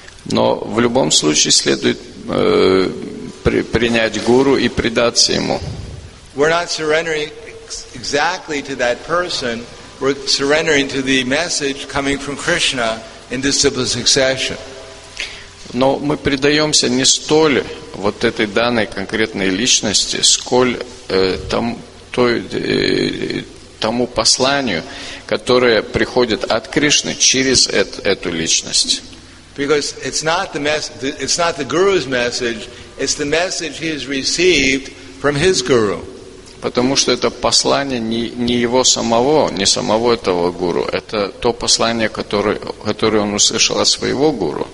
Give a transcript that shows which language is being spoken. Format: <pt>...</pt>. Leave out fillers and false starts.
<ru>Но в любом случае следует принять гуру и предаться ему.</ru> <en>We're not surrendering exactly to that person. We're surrendering to the message coming from Krishna in disciple succession.</en> <ru>Но мы предаемся не столь вот этой данной конкретной личности, сколь тому посланию, которое приходит от Кришны через эту личность.</ru> <en>Because it's not the guru's message, it's the message he has received from his guru.</en> <ru>Потому что это послание не его самого, не самого этого гуру. Это то послание, которое он услышал от своего гуру.</ru>